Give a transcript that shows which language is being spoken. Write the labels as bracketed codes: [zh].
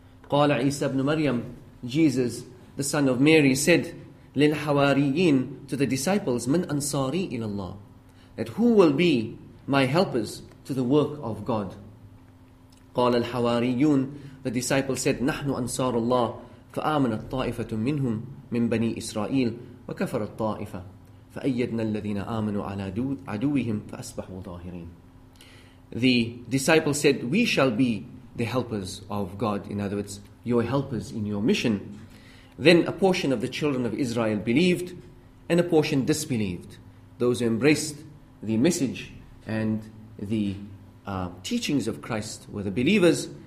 [ar] قَالَ عِيسَى بْنُ مَرْيَمَ. [en] Jesus, the son of Mary, said, [ar] للحواريين, [en] to the disciples, [ar] من أنصاري إلى الله, [en] that who will be my helpers to the work of God. [ar] قال الحواريون, [en] the disciples said, [ar] نحن أنصار الله, فآمنت طائفة منهم من بني إسرائيل وكفرت طائفة فأيدنا الذين آمنوا على عدوهم فأصبحوا ظاهرين. [en] The disciples said, we shall be the helpers of God. In other words, your helpers in your mission. Then a portion of the children of Israel believed and a portion disbelieved. Those who embraced the message and the teachings of Christ were the believers.